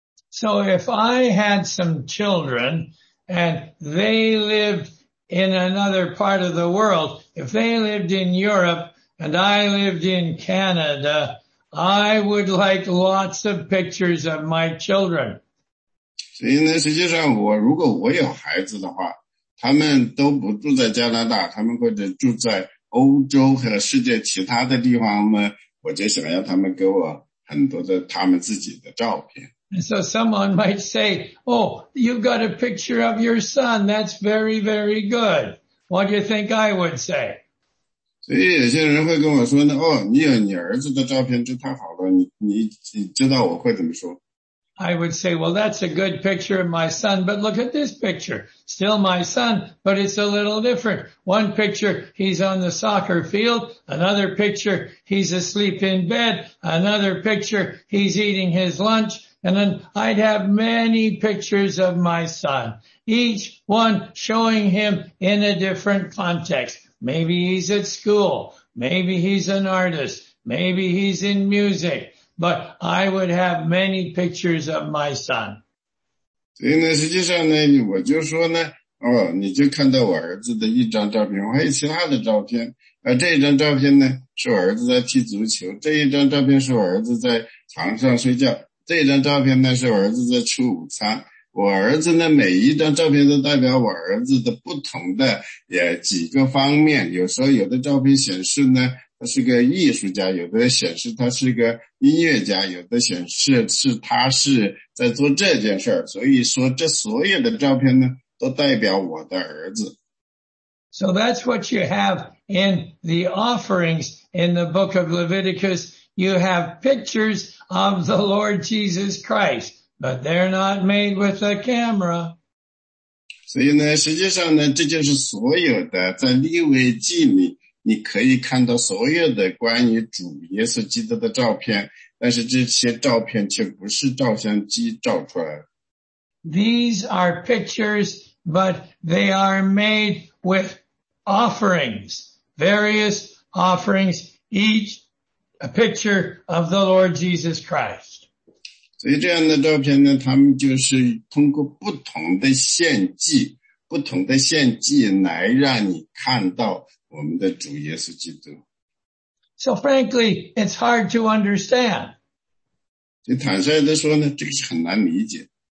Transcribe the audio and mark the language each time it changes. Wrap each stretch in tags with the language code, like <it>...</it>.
<en>So if I had some children and they lived in another part of the world, if they lived in Europe and I lived in Canada,I would like lots of pictures of my children.</en> <zh>所以呢，实际上我如果我有孩子的话，他们都不住在加拿大，他们或者住在欧洲和世界其他的地方呢，我就想要他们给我很多的他们自己的照片。</zh> <en>And so someone might say, oh, you've got a picture of your son. That's very, very good. What do you think I would say?</en> <zh>所以有些人会跟我说呢，哦，你有你儿子的照片，这太好了，你知道我会怎么说。</zh> <en>I would say, well, that's a good picture of my son, but look at this picture. Still my son, but it's a little different. One picture, he's on the soccer field. Another picture, he's asleep in bed. Another picture, he's eating his lunch. And then I'd have many pictures of my son, each one showing him in a different context. Maybe he's at school. Maybe he's an artist. Maybe he's in music. But I would have many pictures of my son.</en> <zh>所以呢，实际上呢，我就说呢，哦，你就看到我儿子的一张照片，我还有其他的照片。而这一张照片呢，是我儿子在踢足球；这一张照片是我儿子在床上睡觉；这一张照片呢，是我儿子在吃午餐。我儿子呢，每一张照片都代表我儿子的不同的几个方面。有时候有的照片显示呢，他是个艺术家，有的显示他是个音乐家，有的显示是他是在做这件事儿。所以说这所有的照片呢，都代表我的儿子。</zh> <en>So that's what you have in the offerings in the book of Leviticus. You have pictures of the Lord Jesus Christ, but they're not made with a camera.</en> <zh>所以呢，实际上呢，这就是所有的在利未记里你可以看到所有的关于主耶稣基督的照片，但是这些照片却不是照相机照出来的。</zh> <en>These are pictures, but they are made with offerings, various offerings, each a picture of the Lord Jesus Christ.</en> <zh>所以这样的照片呢，他们就是通过不同的献祭，不同的献祭来让你看到我们的主耶稣基督。</zh> <en>So frankly, it's hard to understand.</en> <zh>就坦率地说呢，这个是很难理解。</zh>